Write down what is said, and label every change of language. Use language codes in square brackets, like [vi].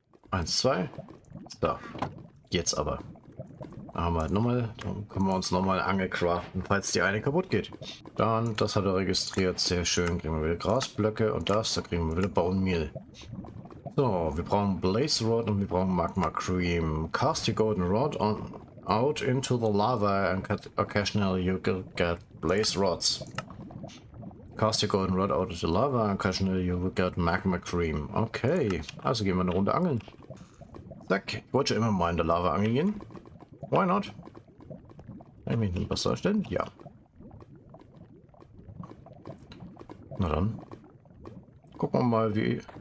[de] 1, 2. So. Jetzt aber. Dann haben wir halt nochmal. Dann können wir uns nochmal angecraften, falls die eine kaputt geht. Dann, das hat er registriert. Sehr schön. Kriegen wir wieder Grasblöcke und das. Da kriegen wir wieder Bone Meal. So, wir brauchen Blaze Rod und wir brauchen Magma Cream. [en] Cast your Golden Rod out into the lava and occasionally you will get Blaze Rods. Cast your Golden Rod out into the lava and occasionally you will get Magma Cream. [de] Okay, also gehen wir eine Runde angeln. Zack, ich wollte immer mal in der Lava angeln gehen. [en] Why not? [de] Kann ich mich nicht besser stellen? Ja. Na dann. Gucken wir mal, wie...